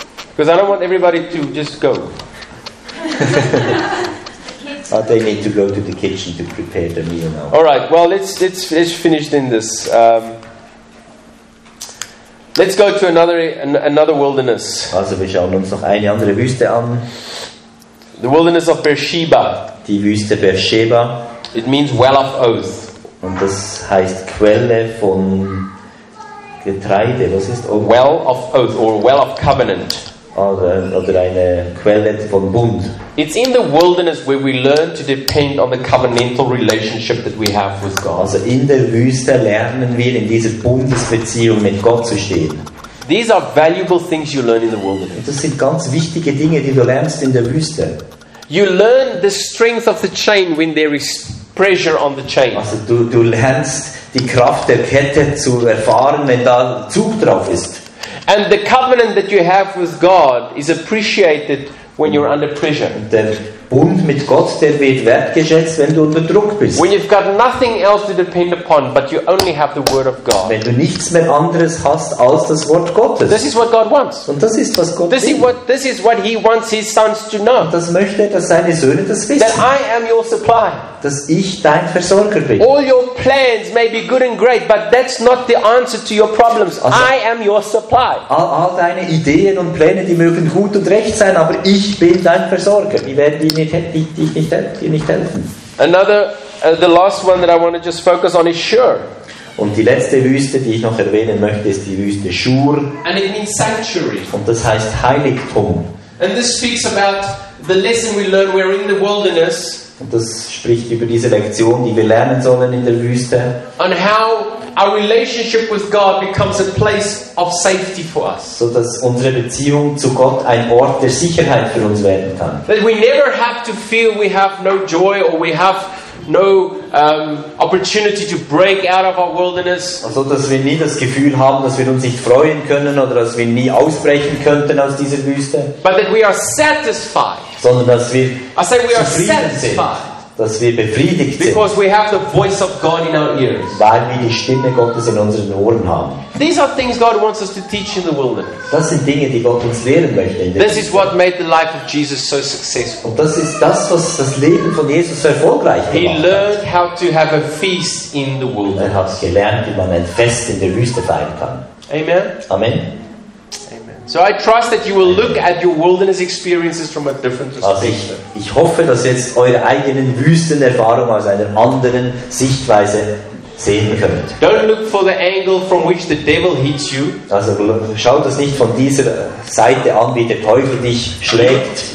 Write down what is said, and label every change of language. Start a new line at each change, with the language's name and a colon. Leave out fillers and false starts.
English: Because I don't want everybody to just go. But they need to go to the kitchen to prepare the meal now. All right. Well, let's finish in this. Let's go to another wilderness.
German: Also, wir schauen uns noch eine andere Wüste an.
English: The wilderness of Beersheba.
German: Die Wüste Beersheba.
English: It means well of oath.
German: Und das heißt Quelle von Getreide. Was ist
English: oath? Well of oath or well of covenant.
German: Oder eine Quelle von Bund.
English: It's in the wilderness where we learn to depend on the covenantal relationship that we have with God.
German: Also in der Wüste lernen wir, in dieser Bundesbeziehung mit Gott zu stehen.
English: These are valuable things you learn in the wilderness.
German: Das sind ganz wichtige Dinge, die du lernst in der Wüste.
English: You learn the strength of the chain when there is pressure on the chain.
German: Also du lernst die Kraft der Kette zu erfahren, wenn da Zug drauf ist.
English: And the covenant that you have with God is appreciated when you're under pressure.
German: Der Bund mit Gott, der wird wertgeschätzt, wenn du unter Druck bist.
English: When you've got nothing else to depend upon, but you only have the Word of God.
German: Wenn du nichts mehr anderes hast als das Wort Gottes.
English: This is what God wants.
German: Und das ist, was Gott will.
English: This is what He wants His sons to know.
German: Das möchte, dass seine Söhne das wissen.
English: That I am your supply.
German: Dass ich dein Versorger bin.
English: All your plans may be good and great, but that's not the answer to your problems. Also, I am your supply.
German: All deine Ideen und Pläne, die mögen gut und recht sein, aber ich bin dein Versorger. Wie werden die nicht helfen?
English: Another, the last one that I want to just focus on is Shur.
German: Und die letzte Wüste, die ich noch erwähnen möchte, ist die Wüste Shur.
English: And it means sanctuary.
German: Und das heißt Heiligtum.
English: And this speaks about the lesson we learn. We're in the wilderness.
German: Und das spricht über diese Lektion, die wir lernen sollen in der Wüste.
English: And how our relationship with God becomes a place of safety for us.
German: So dass unsere Beziehung zu Gott ein Ort der Sicherheit für uns werden kann.
English: That we never have to feel we have no joy or we have no opportunity to break out of our wilderness.
German: Also dass wir nie das Gefühl haben, dass wir uns nicht freuen können oder dass wir nie ausbrechen könnten aus dieser Wüste.
English: But that we are satisfied.
German: Sondern dass wir zufrieden sind. Dass wir befriedigt sind.
English: Because we have the voice of God in our ears.
German: Weil wir die Stimme Gottes in unseren Ohren haben.
English: These are things God wants us to teach in the wilderness.
German: Das sind Dinge, die Gott uns lehren möchte.
English: This is what made the life of Jesus so successful.
German: Und das ist das, was das Leben von Jesus so erfolgreich gemacht hat.
English: He learned how to have a feast in the wilderness.
German: Er hat gelernt, wie man ein Fest in der Wüste feiern kann.
English: Amen.
German: Amen.
English: So I trust that you will look at your wilderness experiences from a different perspective.
German: Also ich hoffe, dass jetzt eure eigenen Wüstenerfahrungen aus einer anderen Sichtweise sehen könnt.
English: Don't look for the angle from which the devil hits you.
German: Also schaut das nicht von dieser Seite an, wie der Teufel dich schlägt.